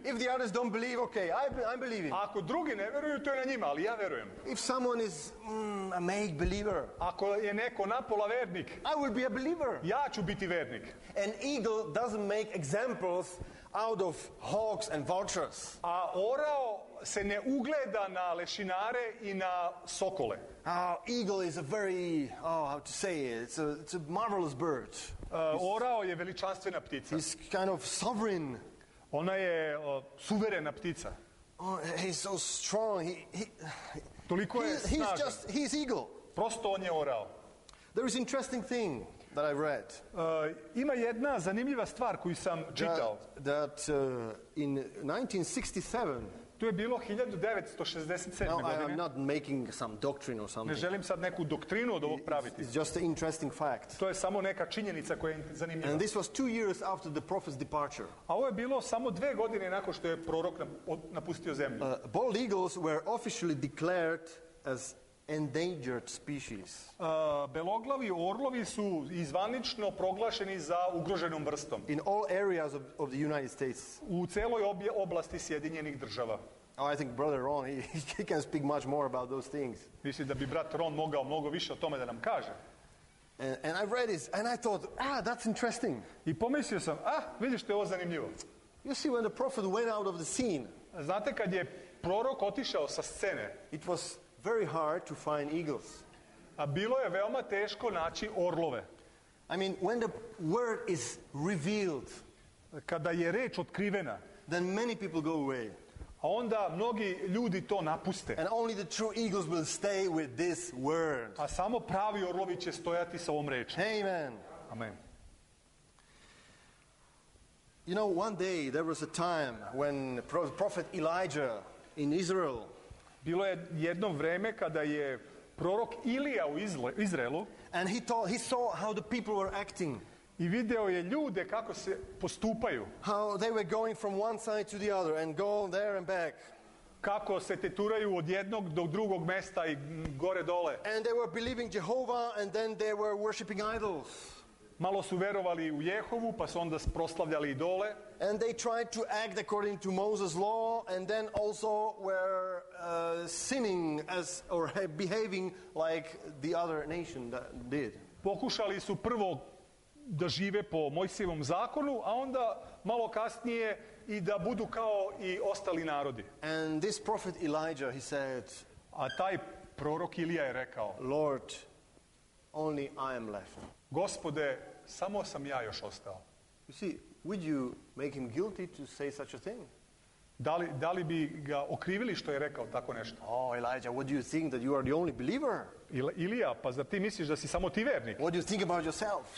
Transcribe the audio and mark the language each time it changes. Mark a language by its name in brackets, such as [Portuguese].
[English] If the others don't believe, okay, I'm believing. [Serbian] Ako drugi ne veruju, to je na njima, ali ja verujem. [English] If someone is a make believer. [Serbian] Ako je neko napola vernik. [English] I will be a believer. [Serbian] Ja ću biti vernik. [English] An eagle doesn't make examples out of hawks and vultures. [Serbian] A orao se ne ugleda na lešinare i na sokole. [English] Eagle is a very, how to say it, it's a marvelous bird. [Serbian] Orao je veličanstvena ptica. [English] He's kind of sovereign. [Serbian] Ona je suverena ptica. [English] He's so strong. He [Serbian] toliko je snažan. [English] He's eagle. [Serbian] Prosto on je orao. [English] There is interesting thing that I read. [Serbian] Ima jedna zanimljiva stvar koju sam čitao. [English] That in 1967. [Serbian] To je bilo 1967. [English] Now, I'm not making some doctrine or something. [Serbian] Ne želim sad neku doktrinu od ovog praviti. [English] It's just an interesting fact. [Serbian] To je samo neka činjenica koja je zanimljiva. [English] And this was 2 years after the prophet's departure. [Serbian] A ovo je bilo samo 2 godine nakon što je prorok napustio zemlju. [English] Bald eagles were officially declared as endangered species. [Serbian] Beloglavi orlovi su zvanično proglašeni za ugroženom vrstom. [English] In all areas of the United States. [Serbian] U celoj oblasti Sjedinjenih Država. [English] Oh, I think brother Ron he can speak much more about those things. [Serbian] Mislim da bi brat Ron mogao mnogo više o tome da nam kaže. [English] And I read this and I thought, that's interesting. [Serbian] I pomislio sam, vidiš što je ovo zanimljivo. [English] You see when the prophet went out of the scene. [Serbian] Znate kad je prorok otišao sa scene? [English] It was very hard to find eagles. [Serbian] A bilo je veoma teško naći orlove. [English] I mean, when the word is revealed, [Serbian] kada je reč otkrivena, [English] then many people go away. [Serbian] A onda mnogi ljudi to napuste. [English] And only the true eagles will stay with this word. [Serbian] A samo pravi orlovi će stojati sa ovom reči. [English] Amen. [Serbian] Amen. [English] You know, one day there was a time when prophet Elijah in Israel. [Serbian] Bilo je jedno vreme kada je prorok Ilija u Izraelu. [English] And he saw how the people were acting. [Serbian] I video je ljude kako se postupaju. [English] How they were going from one side to the other and go there and back. [Serbian] Kako se teturaju od jednog do drugog mesta i gore dole. [English] And they were believing Jehovah and then they were worshiping idols. [Serbian] Malo su verovali u Jehovu, pa su onda proslavljali idole. [English] And they tried to act according to Moses' law and then also were sinning as or behaving like the other nation that did. [Serbian] Pokušali su prvo da žive po Mojsijevom zakonu, a onda malo kasnije i da budu kao i ostali narodi. [English] And this prophet Elijah, he said, [Serbian] a taj prorok Ilija je rekao, [English] Lord, only I am left. [Serbian] Gospode, samo sam ja još ostao. [English] You see, would you make him guilty to say such a thing? [Serbian] Da li bi ga okrivili što je rekao tako nešto? [English] Oh, Elijah, what do you think that you are the only believer? [Serbian] Ilija, pa zar ti misliš da si samo ti vernik? [English] What do you think about yourself?